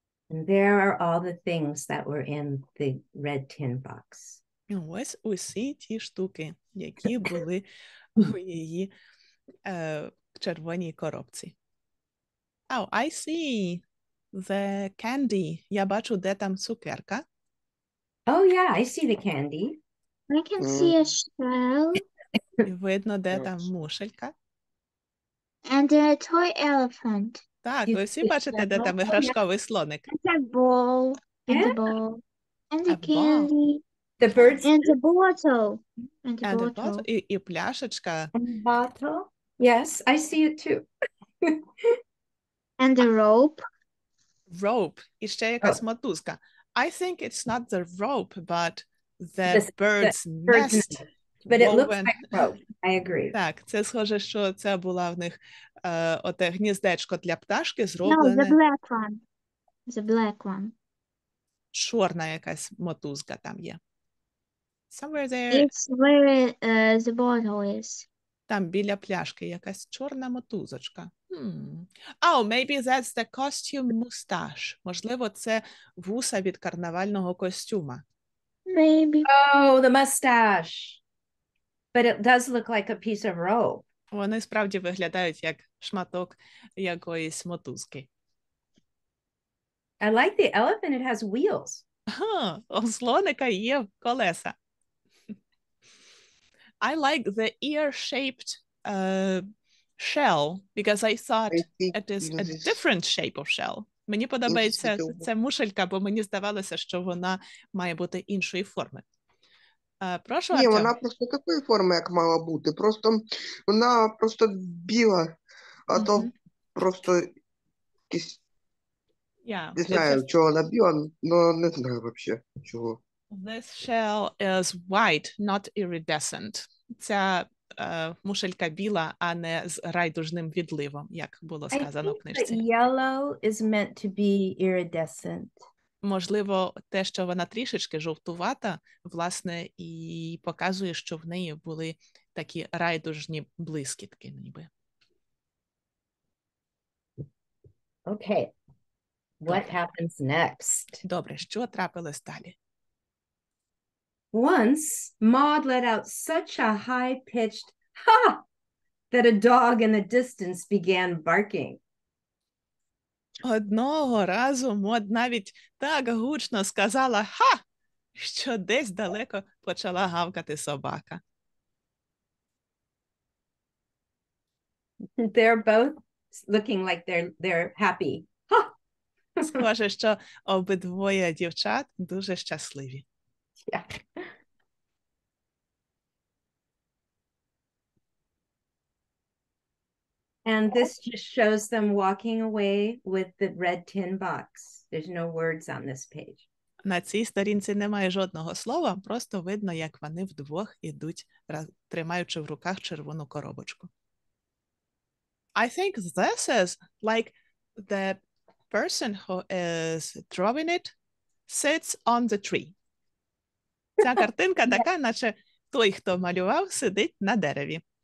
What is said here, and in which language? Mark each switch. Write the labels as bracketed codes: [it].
[en] And there are all the things that were in the red tin box. [uk] Ось усі ті штуки, які були у її червоній коробці. [en] Oh, I see the candy. [uk] Я бачу, де там цукерка. [en] Oh, yeah, I see the candy. I can see a shell. [uk] Видно, де там мушелька. [en] And a toy elephant. [uk] Так, ви всі бачите, де там іграшковий слоник. [en] And a ball. And a ball. And a candy. The birds. And a bottle. And a bottle. [uk] І пляшечка. [en] And a bottle. Yes, I see it too. And a rope. Rope. [uk] І ще якась мотузка. [en] I think it's not the rope, but the bird's nest. But it looks like rope. I agree. [uk] Так, це схоже, що це була в них оте гніздечко для пташки зроблене. [en] No, the black one. The black one. [uk] Чорна якась мотузка там є. [en] Somewhere there. It's where the bottle is. [uk] Там біля пляшки якась чорна мотузочка. [en] Oh, maybe that's the costume mustache. [uk] Можливо, це вуса від карнавального костюма. [en] Maybe. Oh, the mustache. But it does look like a piece of rope. [uk] Вони справді виглядають як шматок якоїсь мотузки. [en] I like the elephant, it has wheels. [uk] У слоника є колеса. [en] I like the ear-shaped shell, because I thought it is a different shape of shell. [uk] Мені подобається ця мушелька, бо мені здавалося, що вона має бути іншої форми. Прошу, Артем. Ні, вона просто такої форми, як мала бути. Просто вона просто біла, а то просто якісь... [en] This shell is white, not iridescent. [uk] Ця мушелька біла, а не з райдужним відливом, як було сказано в книжці. [en] I think that yellow is meant to be iridescent. [uk] Можливо, те, що вона трішечки жовтувата, власне, і показує, що в неї були такі райдужні блискітки, ніби. [en] Okay. What happens next? [uk] Добре, що трапилось далі? [en] Once Maud let out such a high-pitched ha that a dog in the distance began barking. [uk] Одного разу Maud навіть так гучно сказала ха, що десь далеко почала гавкати собака. [en] They're both looking like they're happy. [uk] Схоже, що обидвоє дівчат дуже щасливі. [en] Yeah. And this just shows them walking away with the red tin box. There's no words on this page. [uk] На цій сторінці немає жодного слова, просто видно, як вони вдвох ідуть, тримаючи в руках червону коробочку. [en] I think this is like the person who is drawing it sits on the tree. [uk] Ця картинка така, yeah, наче той, хто малював, сидить на дереві.